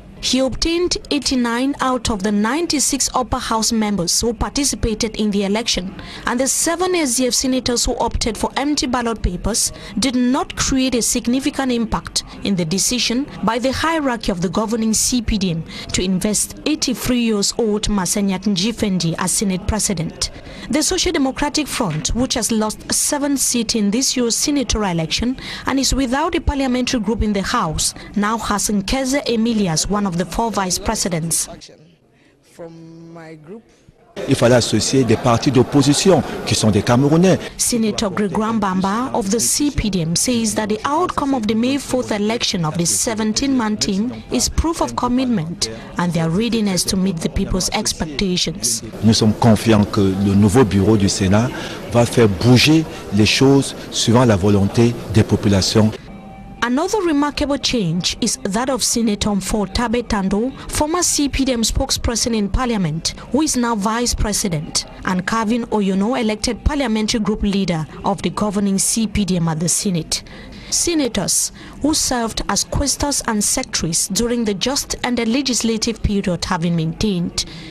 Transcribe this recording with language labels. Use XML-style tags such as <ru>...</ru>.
<en>He obtained 89 out of the 96 upper house members who participated in the election, and the 7 SDF senators who opted for empty ballot papers did not create a significant impact in the decision by the hierarchy of the governing CPDM to invest 83-year-old Marcel Nyat Njifenji as Senate President. The Social Democratic Front, which has lost 7 seats in this year's senatorial election and is without a parliamentary group in the House, now has Nkeze Emilia as one of the 4 vice presidents.</en> <fr>Il fallait associer des partis d'opposition qui sont des Camerounais.</fr> <en>Senator Grégoire Mbamba of the CPDM says that the outcome of the May 4th election of the 17-man team is proof of commitment and their readiness to meet the people's expectations.</en> <fr>Nous sommes confiants que le nouveau bureau du Sénat va faire bouger les choses suivant la volonté des populations.</fr> <en>Another remarkable change is that of Senator Mfor Tabe Tando, former CPDM spokesperson in Parliament, who is now Vice President, and Kevin Oyono, elected parliamentary group leader of the governing CPDM at the Senate. Senators who served as quaestors and secretaries during the just and the legislative period have been maintained.</en>